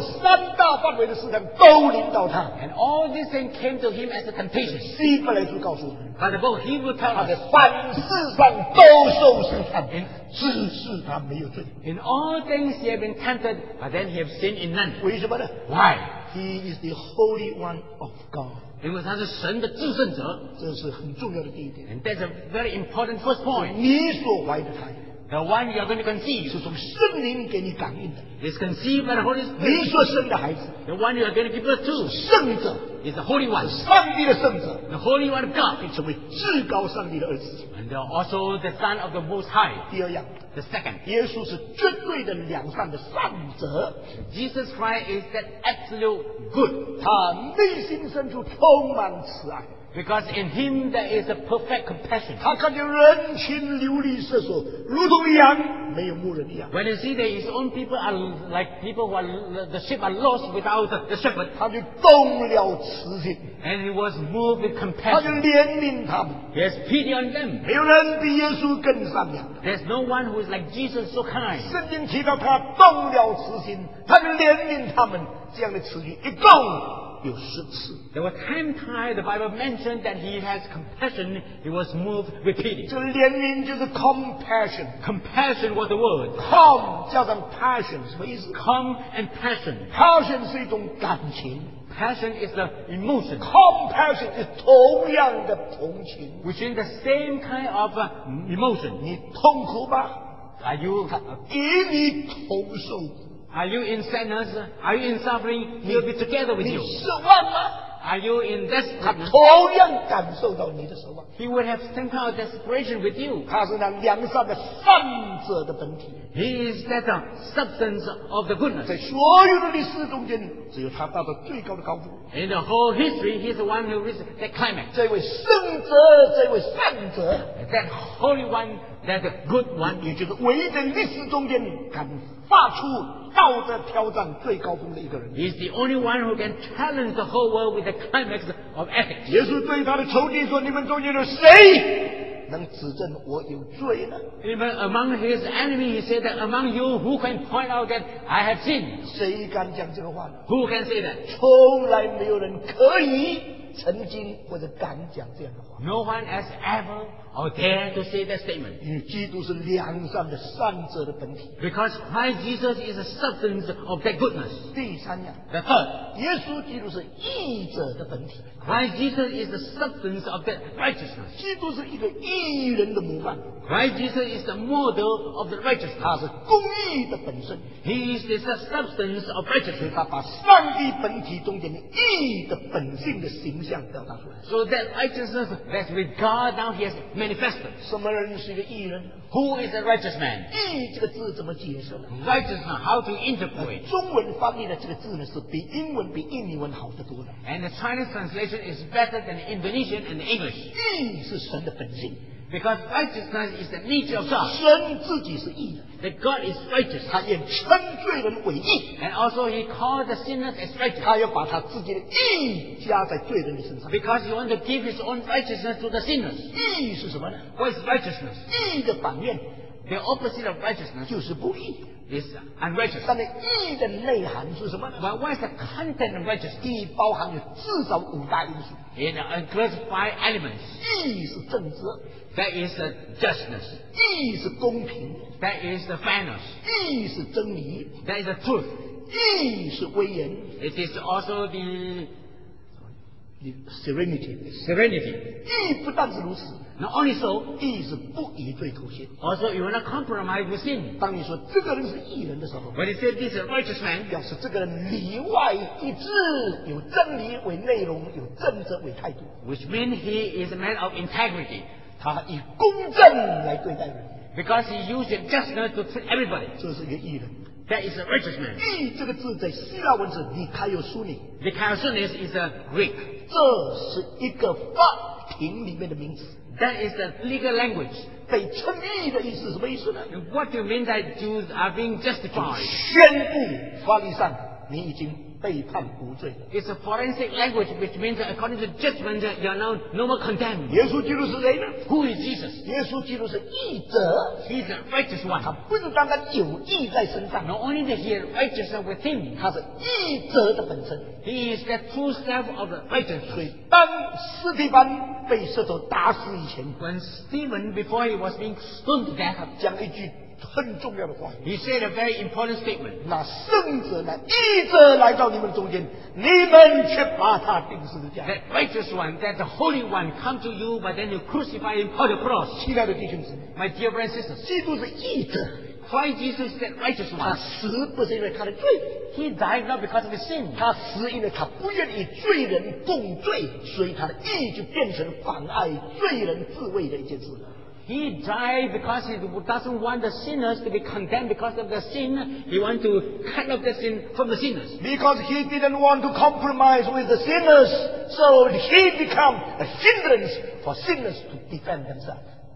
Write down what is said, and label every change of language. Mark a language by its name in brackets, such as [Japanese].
[Chinese] 这三大范围的试探都临到他。 [English] And all these things came to him as a temptation. [Chinese] 希伯来书告诉他。 [English] But the book of Hebrews tells us. [Chinese] 他的凡事上都受试探。只是他没有罪。 [English] In all things he has been tempted, but then he has sinned in none. [Chinese] 为什么呢？ [English] Why? He is the Holy One of God. [Chinese] 因为他是神的至圣者。这是很重要的第一点。 [English] And that's a very important first point. [Chinese] 你所怀的胎。 [English] The one you are going to conceive. [Chinese] 是从圣灵给你感应的。 [English] Is conceived by the Holy Spirit. [Chinese] 你所生的孩子。 [English] The one you are going to give birth to. [Chinese] 圣者。 [English] Is the Holy One. [Chinese] 上帝的圣者。 [English] The Holy One of God. [Chinese] 并成为至高上帝的儿子。 [English] And they are also the Son of the Most High. [Chinese] 第二样。 [English] The second. [Chinese] 耶稣是绝对的良善的善者。 [English] Jesus Christ is that absolute good. [Chinese] 他内心深处充满慈爱。 [English] Because in him there is a perfect compassion. [Chinese] 他看见人群流离失所，如同羊没有牧人一样。 [English] When you see that his own people are like people who are the sheep are lost without the shepherd, [Chinese] 他就动了慈心。 [English] And he was moved with compassion. [Chinese] 他就怜悯他们。 [English] He has pity on them. [Chinese] 没有人比耶稣更善良。 [English] There's no one who is like Jesus so kind. [Chinese] 圣经提到他动了慈心，他就怜悯他们，这样的慈心一动。有十次。 [English] There were 10 times the Bible mentioned that he has compassion. He was moved with pity. [Chinese] 这怜悯就是 compassion. [English] Compassion was the word. [Chinese] Come 加上 passion 什么意思？ [English] Come and passion. [Chinese] Passion 是一种感情。 [English] Passion is the emotion. Compassion is [Chinese] 同样的同情。 [English] Which is the same kind of emotion. [Chinese] 你痛苦吗？ [English] Are you [Chinese] 给你同受。 [English] Are you in sadness? Are you in suffering? He'll be together with you. [Chinese] 你失望吗？ [English] Are you in desperation? [Chinese] 他同样感受到你的失望。 [English] He would have same kind of desperation with you. [Chinese] 他是那良善的善者的本体。 [English] He is that substance of the goodness. [Chinese] 在所有的历史中间，只有他到了最高的高度。 [English] In the whole history, he is the one who reached that climax. [Chinese] 这位圣者，这位善者。 [English] That holy one, that good one. [Chinese] 也就是唯一在历史中间敢发出道德挑战最高峰的一个人。 [English] He's the only one who can challenge the whole world with the climax of ethics. [Chinese] 耶稣对他的仇敌说：“你们中间有谁能指证我有罪呢？” [English] Even among his enemy, he said that among you, who can point out that I have sinned? [Chinese] 谁敢讲这个话呢？ [English] Who can say that? [Chinese] 从来没有人可以曾经或者敢讲这样的话。 [English] No one has ever or dare to say that statement. [Chinese] 因为基督是良善的善者的本体。 [English] Because Christ Jesus is the substance of that goodness. [Chinese] 第三样。 [English] The third. [Chinese] 耶稣基督是义者的本体。 [English] Christ Jesus is the substance of that righteousness. [Chinese] 基督是一个义人的模范。 [English] Christ Jesus is the model of the righteous. [Chinese] 他是公义的本身。 [English] He is the substance of righteousness. [Chinese] 他把上帝本体中间的义的本性的形象表达出来。 [English] So that righteousness that with God now he has manifested. [Chinese] 什么人是一个义人？ [English] Who is a righteous man? [Chinese] 义这个字怎么解释？ [English] Righteousness, how to interpret? [Chinese] 中文翻译的这个字呢，是比英文比印尼文好得多的。 [English] And the Chinese translation is better than Indonesian and English. [Chinese] 义是神的本性。 [English] Because righteousness is the nature of God. [Chinese] 神自己是义的。 [English] That God is righteous. [Chinese] 他也称罪人为义。 [English] And also he called the sinners as righteous. [Chinese] 他要把他自己的义加在罪人的身上。 [English] Because he wants to give his own righteousness to the sinners. [Chinese] 义是什么呢？ [English] What is righteousness? [Chinese] 义的反面。 [English] The opposite of righteousness. [Chinese] 就是不义。 [English] Is unrighteous. [Chinese] 但是义的内涵是什么呢？ [English] But what is the content of righteousness? [Chinese] 义包含有至少五大因素。 [English] In an aggressive five elements. [Chinese] 义是正直。 [English] That is the justness. [Chinese] 义是公平。 [English] That is the fairness. [Chinese] 义是真理。 [English] That is the truth. [Chinese] 义是威严。 [English] It is also the serenity. Serenity. [Chinese] 义不但是如此。 [English] Not only so. [Chinese] 义是不以罪妥协。 [English] Also, you will not compromise with sin. [Chinese] 当你说这个人是义人的时候。 [English] When you say this is a righteous man. [Chinese] 表示这个人里外一致，有真理为内容，有正直为态度。 [English] Which means he is a man of integrity. [Chinese] 他以公正来对待人。 [English] Because he used justness to treat everybody. [Chinese] 这是一个义人。 [English] That is a righteous man. [Chinese] 义这个字在希腊文是 dikaiosune. [English] Dikaiosune is a Greek. [Chinese] 这是一个法庭里面的名词。 [English] That is the legal language. [Chinese] 被称义的意思是什么意思呢？ [English] What do you mean that Jews are being justified? [Chinese] 宣布法利上你已经被判无罪了。 [English] It's a forensic language which means that according to judgment you are now no more condemned. [Chinese] 耶稣基督是谁呢？ [English] Who is Jesus? [Chinese] 耶稣基督是义者。 [English] He's a righteous one. [Chinese] 他不单单有义在身上。 [English] Not only that he is righteous with him. [Chinese] 他是义者的本身。 [English] He is the true self of the righteous. [Chinese] 所以当斯蒂芬被石头打死以前， [English] When Stephen before he was being stoned to death, [Chinese] 讲一句很重要的话， [English] He said a very important statement. [Chinese] 那圣者呢，义者来到你们中间，你们却把他钉十字架。 [English] That righteous one, that the holy one come to you, but then you crucify him on the cross. [Chinese] 亲爱的弟兄姊妹， [English] My dear brothers and sisters, [Chinese] 基督是义者。 [English] Why Jesus is that righteous one? [Chinese] 他死不是因为他的罪。 [English] He died not because of his sin. [Chinese] 他死因为他不愿意罪人共罪，所以他的义就变成妨碍罪人自卫的一件事。 [English] He died because he doesn't want the sinners to be condemned because of the sin. He wants to cut off the sin from the sinners. Because he didn't want to compromise with the sinners, so he became a hindrance for sinners to defend themselves.